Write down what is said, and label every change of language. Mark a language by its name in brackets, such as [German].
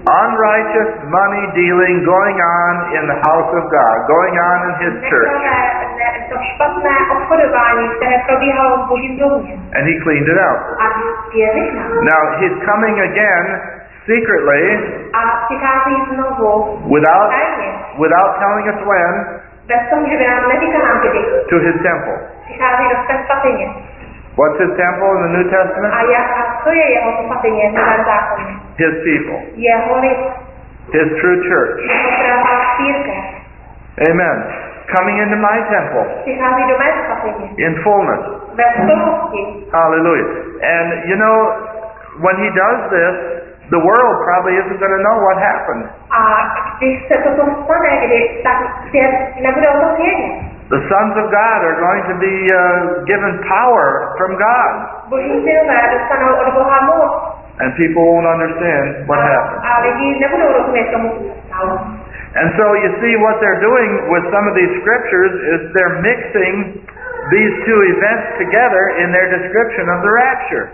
[English] Unrighteous money dealing going on in the house of God, going on in his church. [Czech] To špatné obchodování, které probíhalo v Božím domě. [English] And he cleaned it out. [Czech] A vyhnal. [English] Now he's coming again secretly. [Czech] A přichází znovu. [English] Without telling us when. [Czech] Bez toho, že by nám neříkal, kdy. [English] To his temple. [Czech] přichází do své svatyně. [English] What's his temple in the New Testament? [Czech] A co je jeho svatyně v Novém zákoně? [English] His people. [Czech] Jeho lid. [English] His true church. [Czech] Jeho pravá církev. [English] Amen. Coming into my temple. [Czech] Přichází do mé svatyně. [English] In fullness. [Czech] Ve plnosti. [English] Hallelujah. And you know, when he does this, the world probably isn't going to know what happened. [Czech] A když se toto stane, tak svět nebude o tom vědět. [English] The sons of God are going to be given power from God. [Czech] Boží synové dostanou od Boha moc. [English] And people won't understand what happened. [Czech] A lidi nebudou rozumět tomu, co se stalo. [English] And so you see what they're doing with some of these scriptures is they're mixing these two events together in their description of the rapture.